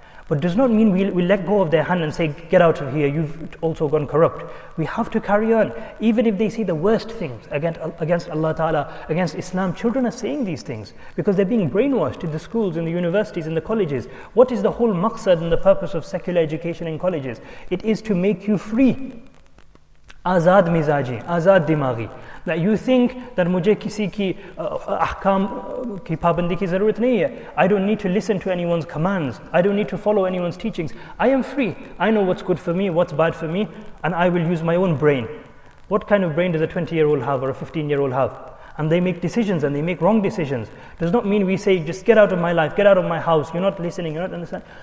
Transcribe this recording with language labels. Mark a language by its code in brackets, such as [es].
[en] But does not mean we let go of their hand and say, get out of here, you've also gone corrupt. We have to carry on. Even if they say the worst things against Allah Ta'ala, against Islam, children are saying these things because they're being brainwashed in the schools, in the universities, in the colleges. What is the whole maqsad and the purpose of secular education in colleges? It is to make you free. [ur] آزاد مزاجی، آزاد دماغی. [en] That you think that [ur] مجھے کسی کی احکام کی پابندی کی ضرورت نہیں ہے. [en] I don't need to listen to anyone's commands. I don't need to follow anyone's teachings. I am free. I know what's good for me, what's bad for me, and I will use my own brain. What kind of brain does a 20-year-old have or a 15-year-old have? And they make decisions and they make wrong decisions. Does not mean we say, just get out of my life, get out of my house, you're not listening, you're not understanding.